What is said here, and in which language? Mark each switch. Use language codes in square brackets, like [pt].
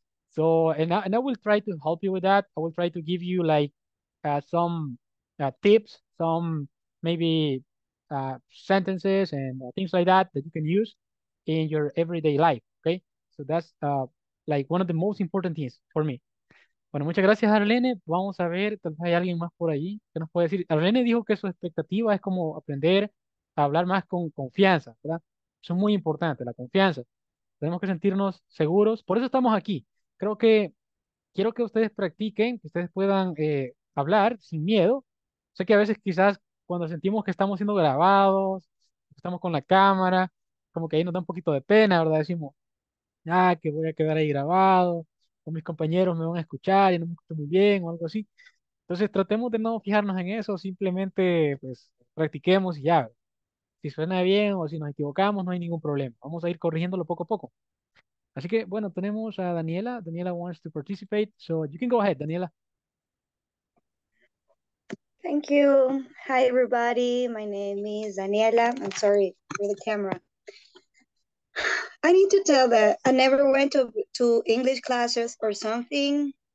[en] So, and I will try to help you with that. I will try to give you like some tips, some maybe sentences and things like that that you can use in your everyday life. Okay. So that's like one of the most important things for me. [es] Bueno, muchas gracias, Arlene. Vamos a ver, tal vez hay alguien más por ahí que nos puede decir. Arlene dijo que su expectativa es como aprender a hablar más con confianza, ¿verdad? Eso es muy importante, la confianza. Tenemos que sentirnos seguros. Por eso estamos aquí. Creo que quiero que ustedes practiquen, que ustedes puedan hablar sin miedo. Sé que a veces quizás cuando sentimos que estamos siendo grabados, estamos con la cámara, como que ahí nos da un poquito de pena, ¿verdad? Decimos, ah, que voy a quedar ahí grabado, o mis compañeros me van a escuchar y no me escucho muy bien o algo así. Entonces tratemos de no fijarnos en eso, simplemente pues practiquemos y ya. Si suena bien o si nos equivocamos, no hay ningún problema. Vamos a ir corrigiéndolo poco a poco. Así que, bueno, tenemos a Daniela. [en] Daniela wants to participate, so you can go ahead, Daniela. Thank you. Hi, everybody. My name is Daniela. I'm sorry for the camera. I need to tell that I never went to English classes or something.